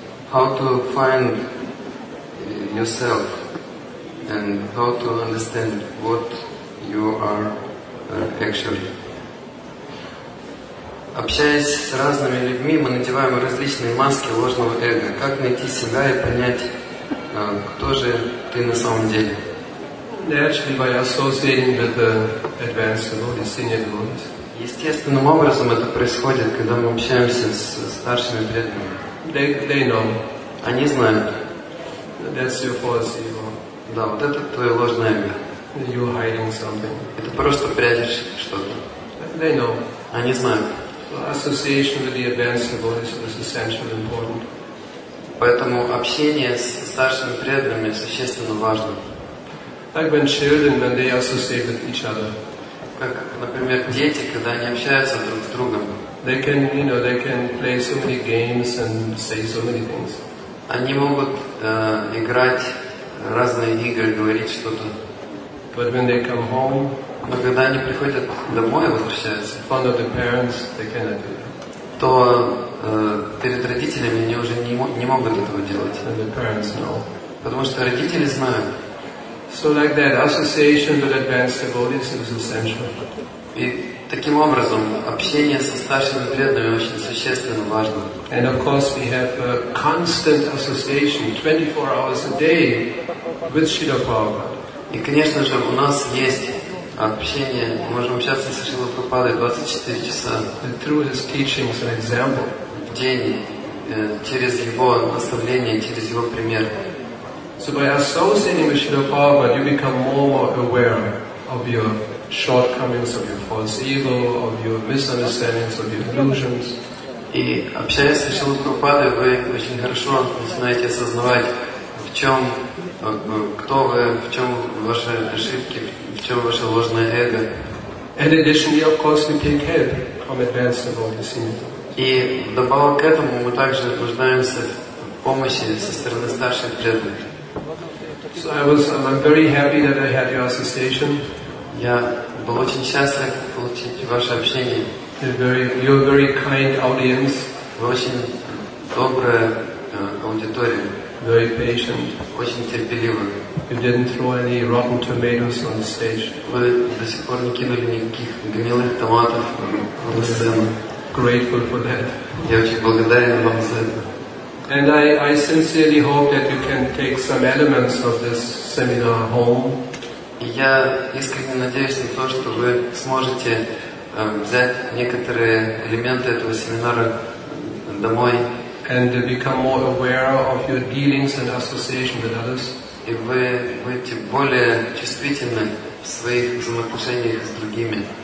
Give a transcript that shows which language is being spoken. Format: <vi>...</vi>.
<en>How to find yourself and how to understand what you are actually.</en> <ru>Общаясь с разными людьми, мы надеваем различные маски ложного эго. Как найти себя и понять, кто же ты на самом деле?</ru> <en>Actually, by associating with the advanced devotees, senior devotees.</en> <ru>Естественным образом это происходит, когда мы общаемся с старшими преданными.</ru> <en>They know.</en> <ru>Они знают.</ru> <en>That's your false ego.</en> <ru>Да, вот это твое ложное эго.</ru> <en>You're hiding something.</en> <ru>Это просто прячешь что-то.</ru> <en>They know.</en> <ru>Они знают.</ru> <en>Association with the advanced devotees is essential and important.</en> <ru>Поэтому общение с старшими преданными существенно важно.</ru> <en>Like when children, when they associate with each other.</en> <ru>Как, например, дети, когда они общаются друг с другом.</ru> <en>They can, you know, they can play so many games and say so many things.</en> <ru>Они могут играть разные игры, говорить что-то.</ru> <en>But when they come home.</en> <ru>Но когда они приходят домой и возвращаются,</ru> <en>front of the parents, they cannot do that.</en> <ru>То перед родителями они уже не могут этого делать.</ru> <en>And the parents know.</en> <ru>Потому что родители знают.</ru> <en>So like that, association with advanced devotees is essential.</en> <ru>И таким образом, общение со старшими преданными очень существенно важно.</ru> <en>And of course we have a constant association, 24 hours a day, with Śrīla Prabhupāda.</en> <ru>И конечно же, у нас есть общение, мы можем общаться со Шрилой Прабхупадой 24 часа.</ru> <en>And through his teachings and example.</en> <ru>В день, через его наставление, через его пример.</ru> <en>So by associating with Śrīla Prabhupāda, you become more aware of your shortcomings, of your false ego, of your misunderstandings, of your illusions.</en> <ru>И общаясь со Шрилой Прабхупадой, вы очень хорошо начинаете осознавать, в чем, кто вы, в чем ваши ошибки, в чем ваше ложное эго.</ru> <en>And additionally, of course, we take help from advanced devotees.</en> <ru>И вдобавок к этому мы также нуждаемся в помощи со стороны старших преданных.</ru> <en>So I'm very happy that I had your association.</en> <ru>Я был очень счастлив получить ваше общение.</ru> <en>You're a very kind audience.</en> <ru>Вы очень добрая аудитория.</ru> <en>very patient.</en> <ru>Очень терпеливый.</ru> <en>You didn't throw any rotten tomatoes on the stage.</en> <ru>Вы до сих пор не кинули никаких гнилых томатов на сцену.</ru> <en>Grateful for that.</en> <ru>Я очень благодарен вам за это.</ru> <en>And I sincerely hope that you can take some elements of this seminar home.</en> <ru>Я искренне надеюсь на то, что вы сможете взять некоторые элементы этого семинара домой.</ru> <en>And become more aware of your dealings and association with others.</en> <ru>И вы будете более чувствительны в своих взаимоотношениях с другими.</ru>